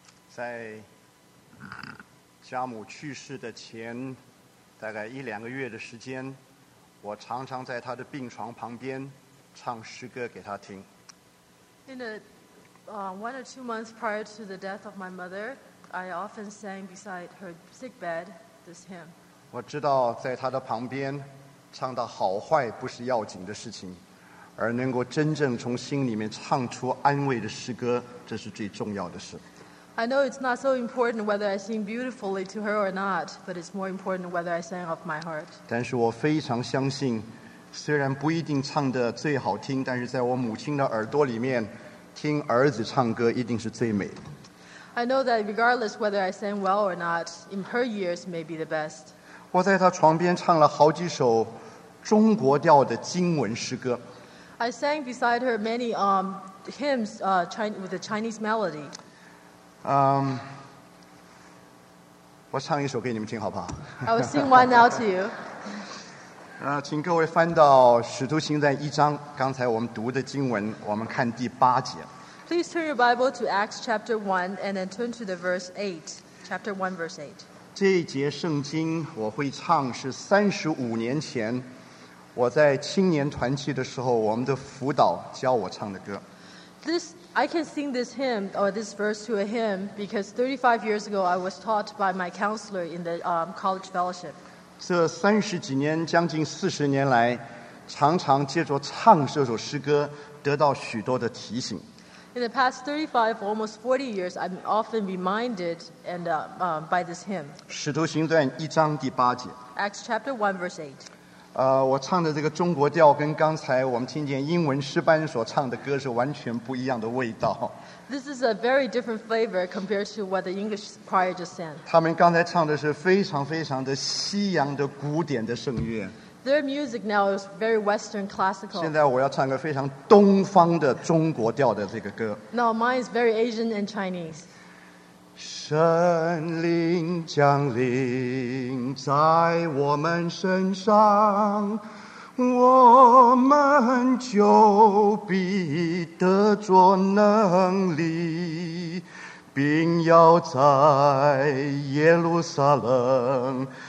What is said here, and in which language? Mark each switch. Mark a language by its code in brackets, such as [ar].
[zh] 在家母去世的前大概一两个月的时间，我常常在她的病床旁边唱诗歌给她听。 [en] In a one or two months prior to the death of my mother, I often sang beside her sick bed this hymn. [zh] 我知道在她的旁边唱到好坏不是要紧的事情，而能够真正从心里面唱出安慰的诗歌，这是最重要的事。 [en] I know it's not so important whether I sing beautifully to her or not, but it's more important whether I sang off my heart. [zh] 但是我非常相信，虽然不一定唱得最好听，但是在我母亲的耳朵里面，听儿子唱歌一定是最美的。 [en] I know that regardless whether I sang well or not, in her ears may be the best. [zh] 我在她床边唱了好几首中国调的经文诗歌。 [en] I sang beside her many hymns with a Chinese melody. [zh] 我唱一首给你们听好不好？ [en] I will sing one now to you. [zh] 请各位翻到《使徒行传》一章，刚才我们读的经文，我们看第八节。 [en] Please turn your Bible to Acts chapter 1 and then turn to the verse 8. Chapter 1, verse 8. [zh] 这一节圣经我会唱是35年前。我在青年团契的时候，我们的辅导教我唱的歌。 [en] This I can sing this hymn or this verse to a hymn because 35 years ago I was taught by my counselor in the college fellowship. [zh] 这三十几年，将近40年来，常常借着唱这首诗歌，得到许多的提醒。 [en] In the past 35, almost 40 years, I'm often reminded and by this hymn. [zh] 使徒行传一章第八节。 [en] Acts chapter 1 verse 8. [zh] 我唱的这个中国调跟刚才我们听见英文诗班所唱的歌是完全不一样的味道。 [en] This is a very different flavor compared to what the English choir just sang. [zh] 他们刚才唱的是非常非常的西洋的古典的圣乐。 [en] Their music now is very Western classical. [zh] 现在我要唱个非常东方的中国调的这个歌。 [en] Now mine is very Asian and Chinese. [zh] 圣灵降临在我们身上，我们就必得着能力，并要在耶路撒冷、